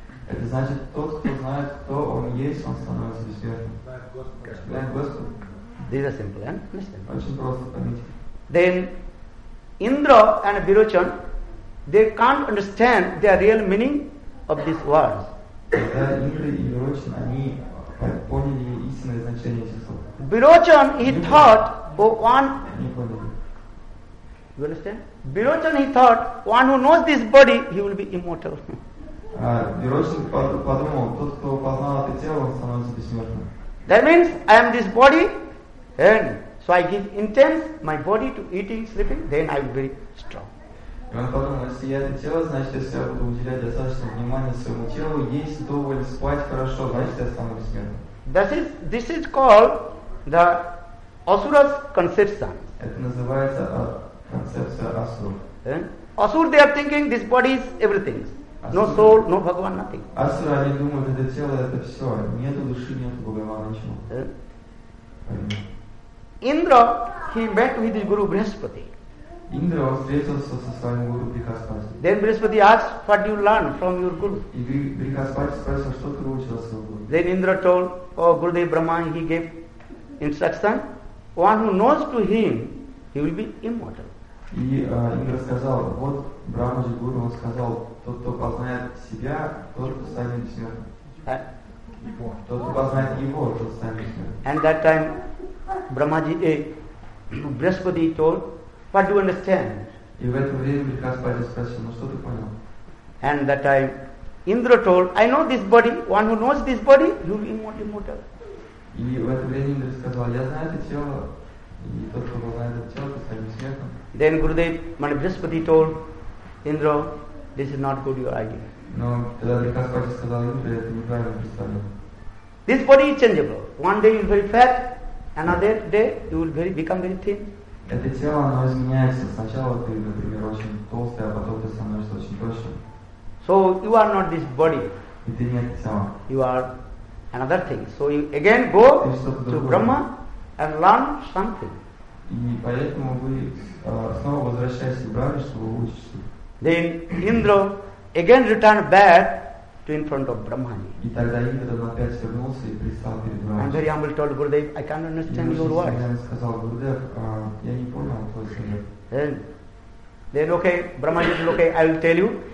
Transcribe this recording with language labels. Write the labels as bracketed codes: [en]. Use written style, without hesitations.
[ru] Это значит, тот, кто знает, кто он есть, он становится бессмертным. Знает Господа. [en] These are simple, understand? [ru] Очень просто понять. [en] Then Indra and Virochan, they can't understand their real meaning of this word. [ru] Когда Индра и Вирочан, они поняли истинное значение этих слов. [en] Virochan, he thought, one... [ru] Они поняли. [en] You understand? Virochan, he thought, one who knows this body, he will be immortal. [ru] Вирочан подумал, тот, кто познал это тело, он становится бессмертным. [en] That means I am this body, and so I give intense my body to eating, sleeping, then I will be strong. [ru] И он подумал, если я это тело, значит, если я буду уделять достаточно внимания своему телу, есть довольно спать хорошо, значит, я стану бессмертным. [en] This is called the Asura's conception. [ru] Это называется концепция Асур. [en] Asura, they are thinking this body is everything. No soul, no Bhagavan, nothing. [ru] Асура, они думают, это тело, это все. Нету души, нету Бхагавана, ничего. [en] Индра, he met with his guru Брихаспати. [ru] Индра, он встретился со своим гуру Брихаспати. [en] Then Брихаспати asked, what you learn from your guru? [ru] И Брихаспати спросил, что ты выучил от своего гуру? [en] Then Индра told, oh, Гурудев Брахман, he gave instruction. One who knows to him, he will be immortal. [ru] И Индра сказал, вот Брахмаджи Гуру, он сказал, тот, кто познает себя, тот станет бессмертным. Тот, кто познает его, тот станет бессмертным. [en] And that time, Brahmaji, Брихаспати told, what do you understand? [ru] И в это время Брихаспати спросил, ну что ты понял? [en] And that time, Indra told, I know this body, one who knows this body, you will be immortal. [ru] И в это время Индра сказал, я знаю это тело, и тот, кто познает это тело, тот станет бессмертным. [en] Then Gurudev, when Brihaspati told Indra, this is not good your idea. [ru] No, тогда Брихаспати сказал Индре, это неправильно представление. [en] This body is changeable. One day you will be fat, another day you will become very thin. [ru] Это тело, оно изменяется. Сначала ты, например, очень толстый, а потом ты становишься очень тощим. [en] So you are not this body. [ru] И ты не это тело. [en] You are another thing. So you again go to Brahma and learn something. [ru] И поэтому вы снова возвращаетесь в Брахму, чтобы учиться. [en] Then Indra again returned back to in front of Brahmani. [ru] И тогда Индра опять вернулся и пристал перед Брахмой. [en] And very humble told Gurudev, I can't understand your words. [ru] И он сказал, Гурудев, я не понял твои слова. [en] Then Then okay, Brahma Ji said, okay, I will tell you.